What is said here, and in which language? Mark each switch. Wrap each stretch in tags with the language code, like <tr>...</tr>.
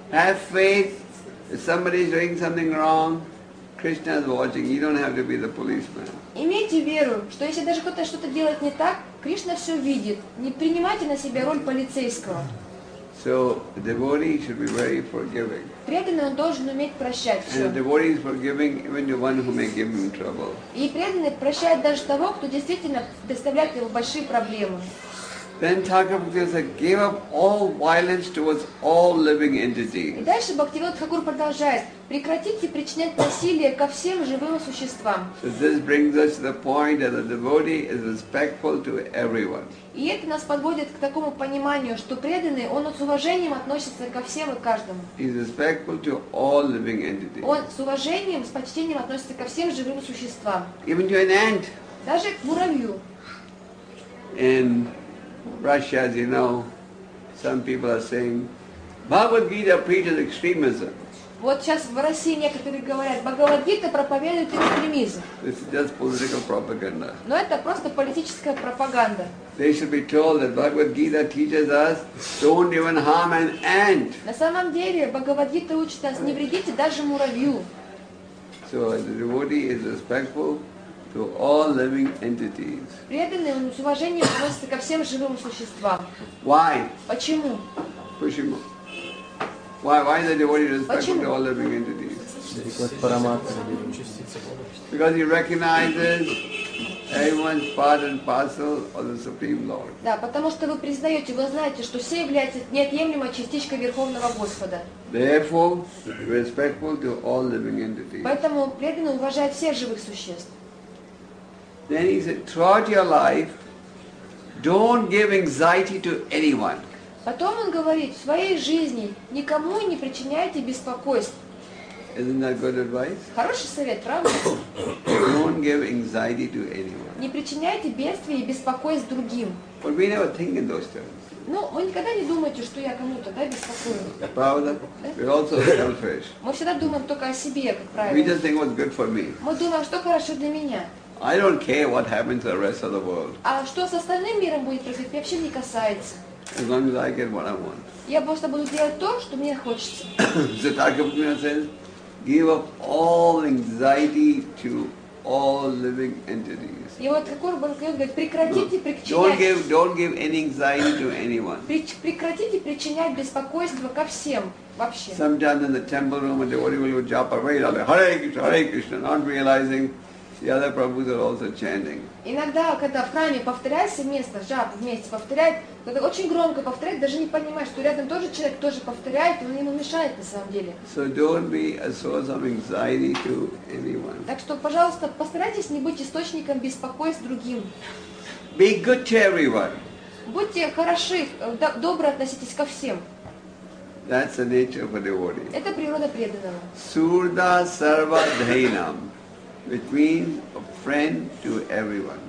<en>Have faith. If somebody is doing something wrong, Krishna is watching. You don't have to be the policeman.</en> <ru>Имейте веру, что если даже кто-то что-то делает не так, Кришна все видит. Не принимайте на себя роль полицейского.</ru> <en>So devotee should be very forgiving.</en> <ru>Преданный должен уметь прощать все.</ru> <en>And devotee is forgiving even to one who may give him trouble.</en> <ru>И преданный прощает даже того, кто действительно доставляет ему большие проблемы.</ru> <en>Then Thakur Bhaktivinoda gave up all violence towards all living entities.</en> <ru>И дальше Бхактивинода Тхакур продолжает: прекратите причинять насилие ко всем живым существам.</ru> <en>So this brings us to the point that the devotee is respectful to everyone.</en> <ru>И это нас подводит к такому пониманию, что преданный он с уважением относится ко всем и каждому.</ru> <en>He is respectful to all living entities.</en> <ru>Он с уважением, с почтением относится ко всем живым существам.</ru> <en>Even to an ant.</en> <ru>Даже к муравью.</ru> <en>And Russia, as you know, some people are saying, Bhagavad Gita preaches extremism.</en> <ru>Вот сейчас в России некоторые говорят, Бхагавад Гита проповедует экстремизм.</ru> <en>This is just political propaganda.</en> <ru>Но это просто политическая пропаганда.</ru> <en>They should be told that Bhagavad Gita teaches us don't even harm an ant.</en> <ru>На самом деле Бхагавад Гита учит нас не вредите даже муравью.</ru> <en>So the devotee is respectful to all living entities.</en> <ru>Преданный он с уважением относится ко всем живым существам.</ru> <en>Why?</en> <ru>Почему? Почему?</ru> <en>Why is the devotee respectful to all living entities? Because he recognizes everyone's part and parcel of the Supreme Lord.</en> <ru>Да, потому что вы признаете, вы знаете, что все являются неотъемлемой частичкой Верховного Господа.</ru> <en>Therefore, respectful to all living entities.</en> <ru>Поэтому преданно уважает всех живых существ.</ru> <en>Then he said, throughout your life, don't give anxiety to anyone.</en> <ru>Потом он говорит, в своей жизни никому не причиняйте беспокойств.</ru> <en>Isn't that good advice?</en> <ru>Хороший совет, правда?</ru> <en>Don't give anxiety to anyone.</en> <ru>Не причиняйте бедствия и беспокойств другим.</ru> <en>But we never think in those terms.</en> <ru>Ну, вы никогда не думаете, что я кому-то, да, беспокою. Правда?</ru> <en>We're also selfish.</en> <ru>Мы всегда думаем только о себе, как правило.</ru> <en>We just think what's good for me.</en> <ru>Мы думаем, что хорошо для меня.</ru> <en>I don't care what happens to the rest of the world.</en> <ru>А что с остальным миром будет происходить, вообще не касается.</ru> <en>As long as I get what I want.</en> <ru>Я просто буду делать то, что мне хочется.</ru> <en>The Thakur says, give up all anxiety to all living entities.</en> <ru>И вот Thakur говорит, прекратите причинять.</ru> <en>Don't give any anxiety to anyone.</en> <ru>Прекратите причинять беспокойство ко всем вообще.</ru> <en>Sometimes in the temple room, a devotee will japa, Hare Krishna, not realizing. The other prabhus are also chanting.</en> <ru>Иногда, когда в храме повторяется место, жап вместе повторяет, когда очень громко повторяет, даже не понимаешь, что рядом тоже человек тоже повторяет, и он ему мешает на самом деле.</ru> <en>So don't be a source of anxiety to anyone.</en> <ru>Так что, пожалуйста, постарайтесь не быть источником беспокойств другим.</ru> <en>Be good to everyone.</en> <ru>Будьте хороши, добро относитесь ко всем.</ru> <en>That's the nature of a devotee.</en> <ru>Это природа преданного.</ru> <en>Surda sarva dhainam. Which means a friend to everyone.</en>